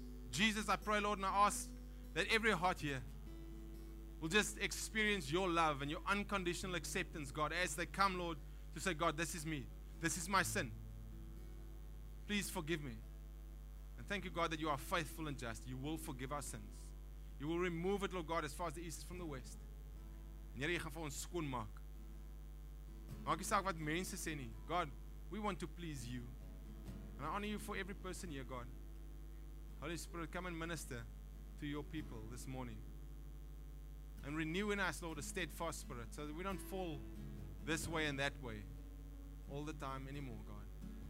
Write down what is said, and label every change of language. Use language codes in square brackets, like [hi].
[en] Jesus, I pray, Lord, and I ask that every heart here will just experience your love and your unconditional acceptance, God, as they come, Lord, to say, God, this is me. this is my sin. Please forgive me. And thank you, God, that you are faithful and just. You will forgive our sins. You will remove it, Lord God, as far as the east is from the west. [af] En Here, jy gaan vir ons skoon maak. Maak nie saak wat mense sê nie. [en] God, we want to please you. And I honor you for every person here, God. Holy Spirit, come and minister to your people this morning. And renew in us, Lord, a steadfast spirit, so that we don't fall this way and that way all the time anymore, God.